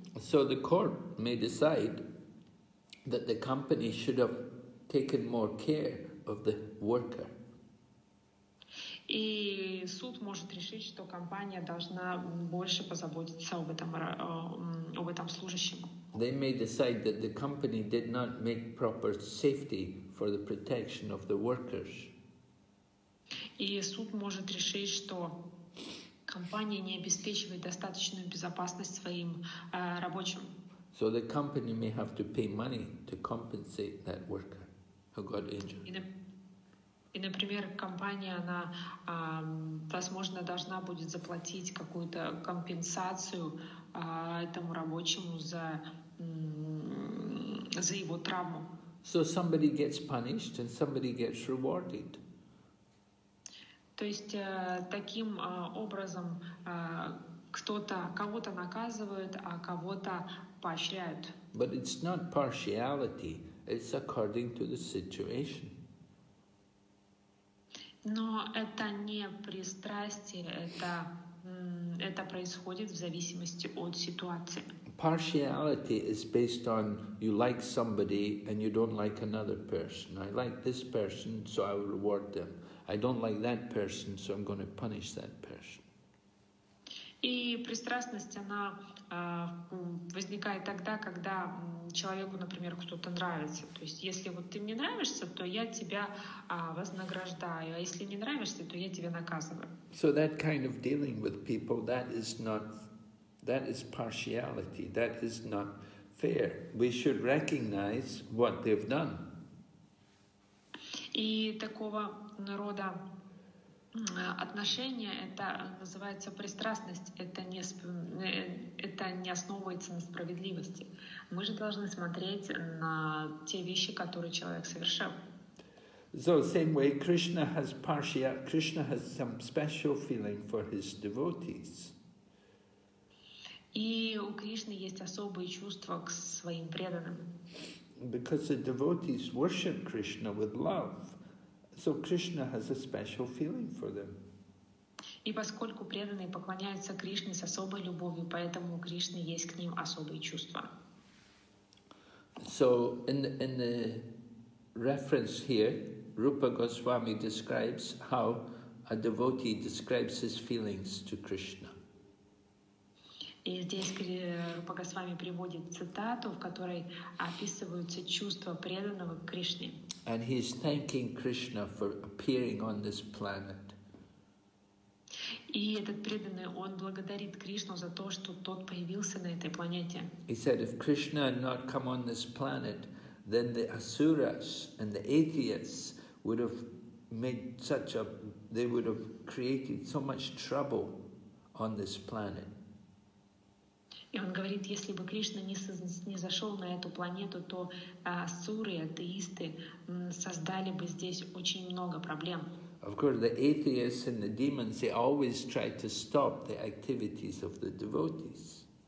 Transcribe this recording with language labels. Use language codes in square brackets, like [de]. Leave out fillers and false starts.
[en] So the court may decide that the company should have taken more care of the worker. [ru] И суд может решить, что компания должна больше позаботиться об этом служащем. [en] They may decide that the company did not make proper safety for the protection of the workers. [ru] И суд может решить, что компания не обеспечивает достаточную безопасность своим рабочим. [en] So the company may have to pay money to compensate that worker who got injured. [ru] И, например, компания, она, возможно, должна будет заплатить какую-то компенсацию этому рабочему за его травму. [en] So somebody gets punished and somebody gets rewarded. [ru] То есть таким образом кого-то наказывают, а кого-то поощряют. [en] But it's not partiality, it's according to the situation. [ru] Но это не пристрастие, это происходит в зависимости от ситуации. [en] Partiality is based on you like somebody and you don't like another person. I like this person, so I will reward them. I don't like that person, so I'm going to punish that person. [ru] И пристрастность, она возникает тогда, когда человеку, например, кто-то нравится. То есть, если вот ты мне нравишься, то я тебя вознаграждаю, а если не нравишься, то я тебя наказываю. [en] So that kind of dealing with people, that is partiality, that is not fair. We should recognize what they've done. [ru] И такого рода Отношения — это называется пристрастность, это не основывается на справедливости. Мы же должны смотреть на те вещи, которые человек совершил. [en] So, same way, Krishna has partia, Krishna has some special feeling for his devotees. [ru] И у Кришны есть особые чувства к своим преданным. [en] Because the devotees worship Krishna with love. So Krishna has a special feeling for them. [ru] И поскольку преданные поклоняются Кришне с особой любовью, поэтому у Кришны есть к ним особые чувства. [en] So in the reference here, Rupa Goswami describes how a devotee describes his feelings to Krishna. [ru] И здесь Рупа Госвами приводит цитату, в которой описываются чувства преданного к Кришне. [en] And he is thanking Krishna for appearing on this planet. [ru] И этот преданный, он благодарит Кришну за то, что тот появился на этой планете. [en] He said, if Krishna had not come on this planet, then the asuras and the atheists would have made such a, they would have created so much trouble on this planet. [ru] И он говорит, если бы Кришна не зашел на эту планету, то асуры, атеисты создали бы здесь очень много проблем. [en] Of course, the atheists and the demons, they always try to stop the activities of the devotees.